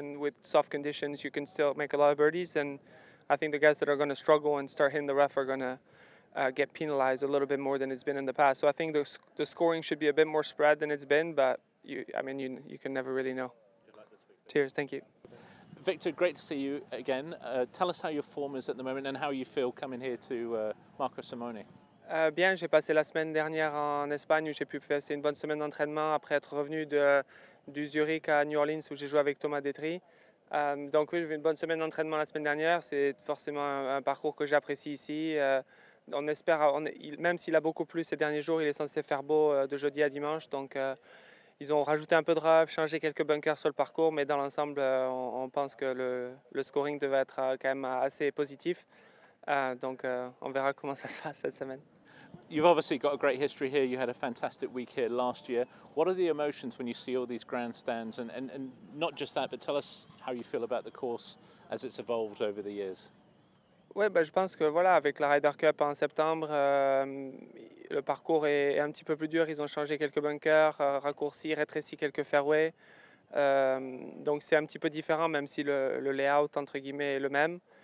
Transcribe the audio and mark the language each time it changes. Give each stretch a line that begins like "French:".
English: And with soft conditions, you can still make a lot of birdies. And I think the guys that are going to struggle and start hitting the rough are going to get penalized a little bit more than it's been in the past. So I think the scoring should be a bit more spread than it's been, but you can never really know. Cheers, thank you. Victor, great to see you again. Tell us how your form is at the moment and how you feel coming here to Marco Simone.
French: Bien, j'ai passé la semaine dernière en Espagne où j'ai pu passer une bonne semaine d'entraînement après être revenu du Zurich à New Orleans où j'ai joué avec Thomas Détry. Donc oui, j'ai eu une bonne semaine d'entraînement la semaine dernière. C'est forcément un parcours que j'apprécie ici. On espère, même s'il a beaucoup plu ces derniers jours, il est censé faire beau de jeudi à dimanche. Donc, ils ont rajouté un peu de rough, changé quelques bunkers sur le parcours. Mais dans l'ensemble, on pense que le scoring devait être quand même assez positif. Donc, on verra comment ça se passe cette semaine.
English: You've obviously got a great history here. You had a fantastic week here last year. What are the emotions when you see all these grandstands? And not just that, but tell us how you feel about the course as it's evolved over the years.
French: Ouais, ben je pense que voilà, avec la Ryder Cup en septembre, le parcours est un petit peu plus dur. Ils ont changé quelques bunkers, raccourci, rétréci quelques fairways. Donc c'est un petit peu différent, même si le layout entre guillemets est le même.